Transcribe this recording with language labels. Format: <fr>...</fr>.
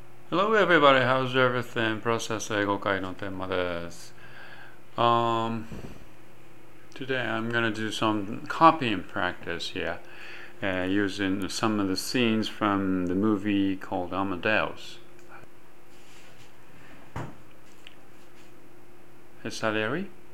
<en>Hello everybody, how's everything?</en> <ja>Professor 英語会のテーマです。</ja> <en>Today I'm gonna do some copying practice here, using some of the scenes from the movie called Amadeus. Hey Salieri?</en>